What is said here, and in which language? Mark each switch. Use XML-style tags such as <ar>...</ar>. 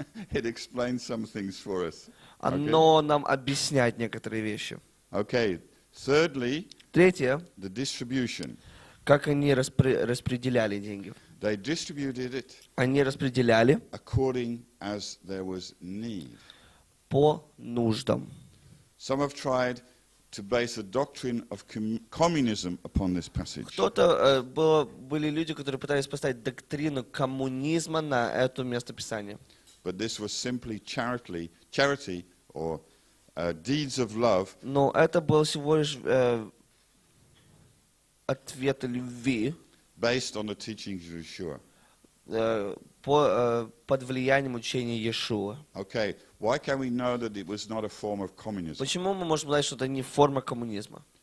<en>it explains some things for us.</en> <ru>Оно нам объясняет некоторые вещи.</ru> <en>Okay. Thirdly,</en> <ru>третье,</ru> <en>the distribution.</en> <ru>Как они распределяли деньги?</ru> <en>They distributed it.</en> <ru>Они распределяли.</ru> <en>According as there was need.</en> <ru>По нуждам.</ru> <en>Some have tried to base a doctrine of communism upon this passage.</en> <ru>Кто-то были люди, которые пытались поставить доктрину коммунизма на это местописание.</ru> <en>But this was simply charity or deeds of love.</en> <ru>Но это был всего лишь ответ любви.</ru> <en>Based on the teachings of Yeshua.</en> <ru>Под влиянием учения Иешуа. Okay.</ru> <en>Why can we know that it was not a form of communism?</en> <ru>Почему мы можем знать, что это не форма коммунизма?</ru>